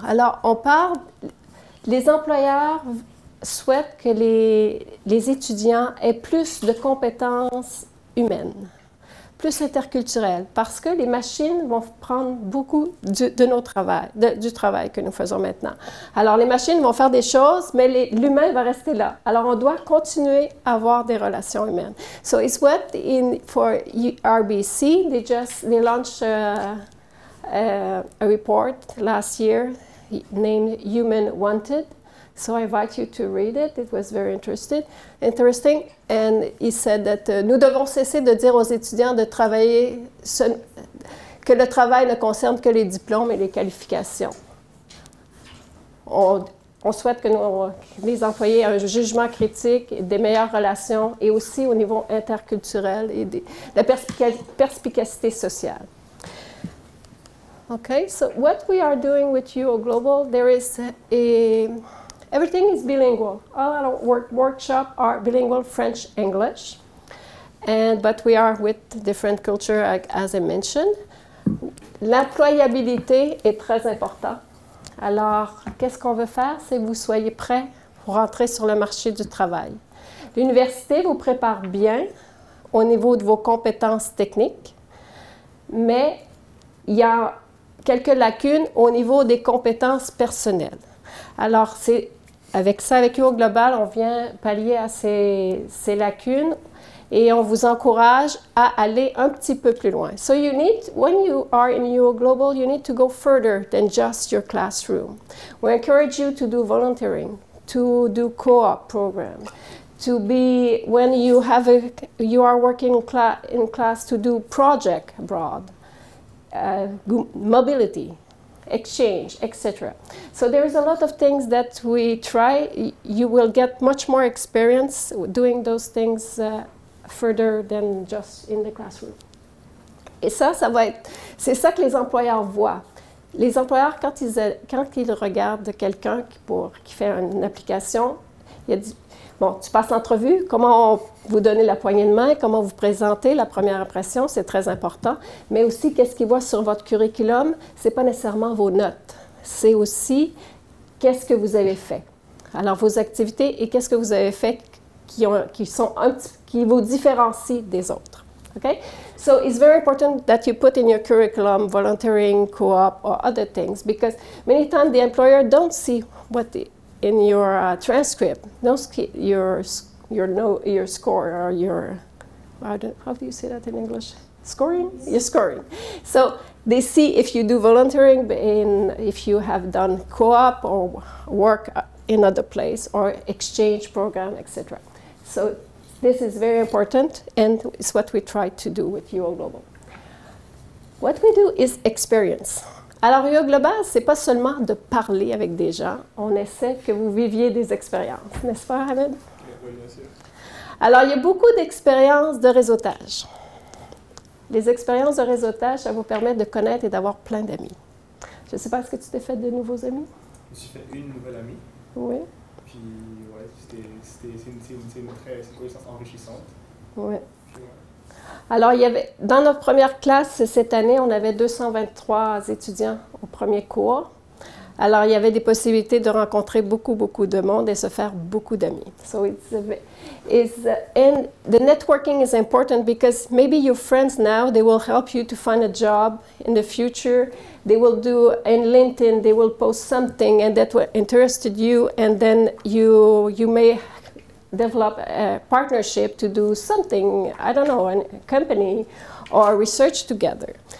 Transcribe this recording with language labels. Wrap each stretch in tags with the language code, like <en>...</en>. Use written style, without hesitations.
<fr>Alors, on parle, les employeurs souhaitent que les étudiants aient plus de compétences humaines. Plus interculturel, parce que les machines vont prendre beaucoup du travail que nous faisons maintenant. Alors, les machines vont faire des choses, mais l'humain va rester là. Alors, on doit continuer à avoir des relations humaines.</fr> <en>So, it's what in for RBC, they launched a report last year named Human Wanted. So I invite you to read it. It was very interesting. And he said that</en> <fr>nous devons cesser de dire aux étudiants de travailler que le travail ne concerne que les diplômes et les qualifications. On souhaite que les employés aient un jugement critique, des meilleures relations et aussi au niveau interculturel et la perspicacité sociale.</fr> <en>Okay, so what we are doing with uOGlobal, there is a... Everything is bilingual. All our workshops are bilingual, French, English. But we are with different cultures, as I mentioned.</en> <fr>L'employabilité est très important. Alors, qu'est-ce qu'on veut faire? C'est que vous soyez prêts pour rentrer sur le marché du travail. L'université vous prépare bien au niveau de vos compétences techniques, mais il y a quelques lacunes au niveau des compétences personnelles. Alors, c'est avec ça, avec uOGlobal, on vient pallier à ces lacunes et on vous encourage à aller un petit peu plus loin.</fr> <en>So you need, when you are in uOGlobal, you need to go further than just your classroom. We encourage you to do volunteering, to do co-op program, to be, when you have you are working in class, to do project abroad, mobility, exchange, etc. So there is a lot of things that we try. You will get much more experience doing those things further than just in the classroom.</en> <fr>Et ça va être, c'est ça que les employeurs voient. Les employeurs, quand ils regardent quelqu'un qui fait une application, il y a bon, tu passes l'entrevue, comment vous donner la poignée de main, comment vous présenter la première impression, c'est très important. Mais aussi, qu'est-ce qu'ils voient sur votre curriculum, ce n'est pas nécessairement vos notes. C'est aussi qu'est-ce que vous avez fait. Alors, vos activités et qu'est-ce que vous avez fait qui vous différencie des autres. Okay?</fr> <en>So it's very important that you put in your curriculum volunteering, co-op, or other things, because many times the employer don't see what in your transcript, don't see your score or your, how do you say that in English? Scoring? Yes. Your scoring. So they see if you do volunteering, if you have done co-op or work in other place or exchange program, etc. So this is very important, and it's what we try to do with uOGlobal. What we do is experience.</en> <fr>Alors uOGlobal, c'est pas seulement de parler avec des gens. On essaie que vous viviez des expériences, n'est-ce pas, Hamid? Oui, bien sûr. Alors il y a beaucoup d'expériences de réseautage. Les expériences de réseautage, ça vous permet de connaître et d'avoir plein d'amis. Je ne sais pas, est-ce que tu t'es fait de nouveaux amis? Je me suis fait une nouvelle amie. Oui. Puis, ouais, c'est une connaissance enrichissante. Oui. Puis, ouais. Alors, dans notre première classe, cette année, on avait 223 étudiants au premier cours. Alors, il y avait des possibilités de rencontrer beaucoup, beaucoup de monde et se faire beaucoup d'amis.</fr> <en>So and the networking is important because maybe your friends now, they will help you to find a job in the future. They will do in LinkedIn, they will post something and that will interest you. And then you may develop a partnership to do something, I don't know, a company or research together.</en>